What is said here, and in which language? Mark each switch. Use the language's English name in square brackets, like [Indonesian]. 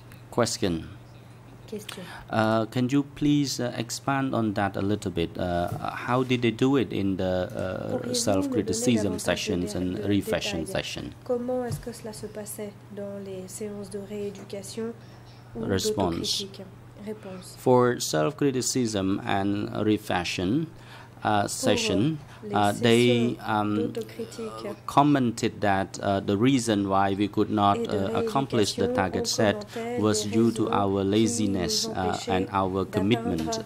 [English] Question. Can you please expand on that a little bit? How did they do it in the self-criticism sessions and refashion session? [French] Comment est-ce que cela se passait dans les séances de rééducation ou [English] Response. [French] D'autocritique? [English] For self-criticism and refashion session, they commented that the reason why we could not accomplish the target set was due to our laziness and our commitment.